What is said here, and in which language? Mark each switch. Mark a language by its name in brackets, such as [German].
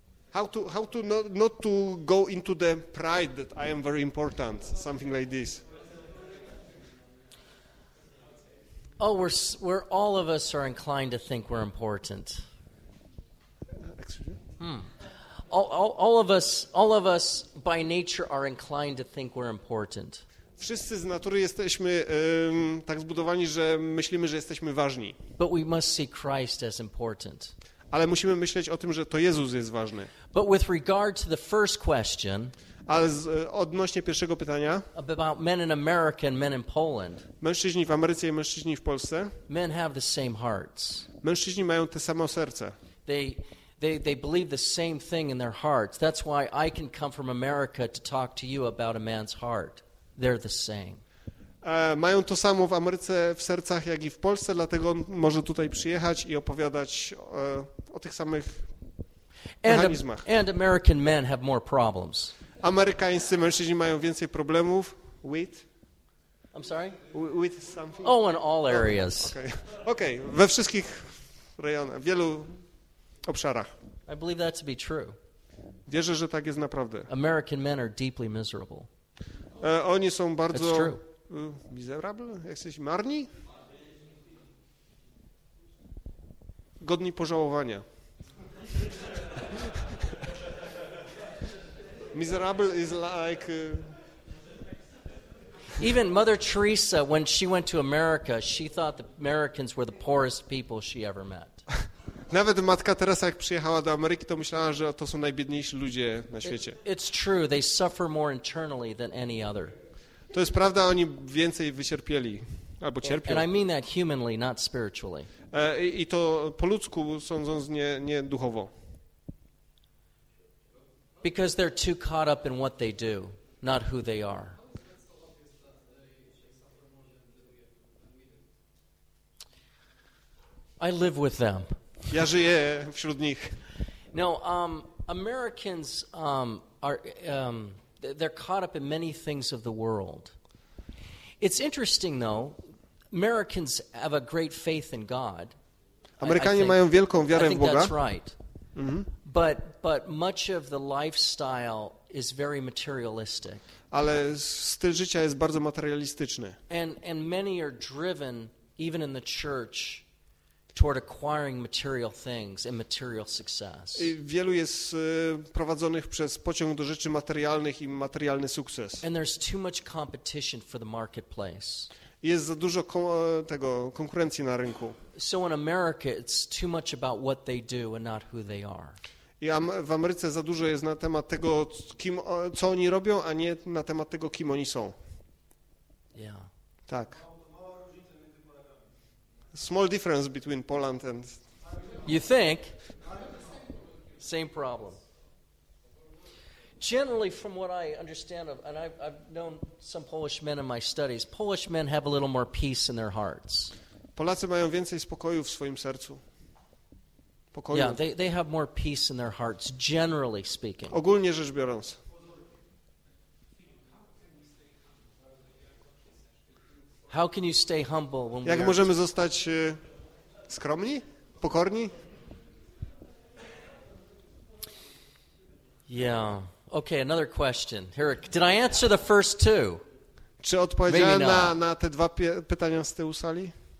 [English] How to not to go into the pride that I am very important, something like this. Oh, we're all of us are inclined to think we're important. All of us by nature are inclined to think we're important. [Polish] Wszyscy z natury jesteśmy tak zbudowani, że myślimy, że jesteśmy ważni. [English] But we must see Christ as important. [Polish] Ale musimy myśleć o tym, że to Jezus jest ważny. [English] But with regard to the first question, [Polish] ale z, odnośnie pierwszego pytania, [English] about men in America and men in Poland, [Polish] mężczyźni w Ameryce i mężczyźni w Polsce, [English] men have the same hearts. [Polish] Mężczyźni mają te same serce. [English] They believe the same thing in their hearts. That's why I can come from America to talk to you about a man's heart. They're the same. [Polish] Mają to samo w Ameryce w sercach, jak i w Polsce, dlatego on może tutaj przyjechać i opowiadać o tych samych mechanizmach. [English] And American men have more problems. [Polish] Amerykańscy mężczyźni mają więcej problemów with. [English] I'm sorry? With something? Oh, in all areas. Okay. [Polish] We wszystkich rejonach, wielu obszarach. [English] I believe that to be true. [Polish] Wierzę, że tak jest naprawdę. [English] American men are deeply miserable. [Polish] Oni są bardzo miserable? Jesteś marni? Godni pożałowania. [English] Miserable is like Even Mother Teresa, when she went to America, she thought the Americans were the poorest people she ever met. [Polish] Nawet Matka Teresa, jak przyjechała do Ameryki, to myślała, że to są najbiedniejsi ludzie na świecie. [English] It's true, they suffer more internally than any other. [Polish] To jest prawda, oni więcej wycierpieli, albo cierpią. [English] And I mean that humanly, not spiritually. [Polish] I to po ludzku, sądząc, nie duchowo. [English] Because they're too caught up in what they do, not who they are. I live with them. [Polish] Ja żyję wśród nich. [English] No, Americans are they're caught up in many things of the world. It's interesting though, Americans have a great faith in God. [Polish] Amerykanie mają wielką wiarę w Boga. [English] I think that's right. Mm-hmm. But much of the lifestyle is very materialistic. [Polish] Ale styl życia jest bardzo materialistyczny. [English] And many are driven even in the church toward acquiring material things and material success. [Polish] Wielu jest prowadzonych przez pociąg do rzeczy materialnych i materialny sukces. [English] And there's too much competition for the marketplace. [Polish] Jest za dużo tego konkurencji na rynku. [English] So in America it's too much about what they do and not who they are. [Polish] I w Ameryce za dużo jest na temat tego, kim, co oni robią, a nie na temat tego, kim oni są. [English] Yeah. [Polish] Tak. [English] Small difference between Poland and... You think? Same problem. Generally, from what I understand, of, and I've known some Polish men in my studies, Polish men have a little more peace in their hearts. [Polish] Polacy mają więcej spokoju w swoim sercu. Pokoju. [English] Yeah, they have more peace in their hearts, generally speaking. [Polish] Ogólnie rzecz biorąc. [English] How can you stay humble when [Polish] Jak możemy zostać skromni, pokorni? [English] Yeah. Okay, another question. Here, did I answer the first two? [Polish] Czy odpowiedziałem na te dwa pytania z tyłu sali?